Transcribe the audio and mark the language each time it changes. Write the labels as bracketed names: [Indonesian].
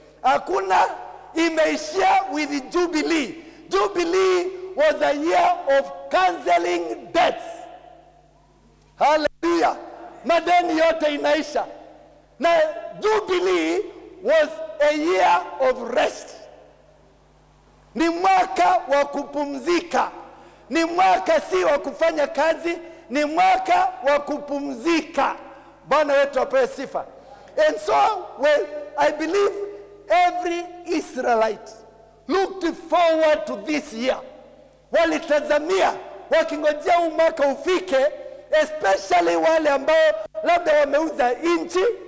[Swahili] Hakuna, imeishia [English] with Jubilee. Jubilee was a year of canceling debts. Hallelujah. [Swahili] Madeni yote inaisha. Na [English] Jubilee was a year of rest. [Swahili] Ni mwaka wa kupumzika. Ni mwaka si wa kufanya kazi. Ni mwaka wa kupumzika. Bwana wetu apewe sifa. [English] And so, well, I believe every Israelite looked forward to this year. [Swahili] Walitazamia, wakingojea mwaka ufike, [English] especially [Swahili] wale ambao labda wameuza inchi.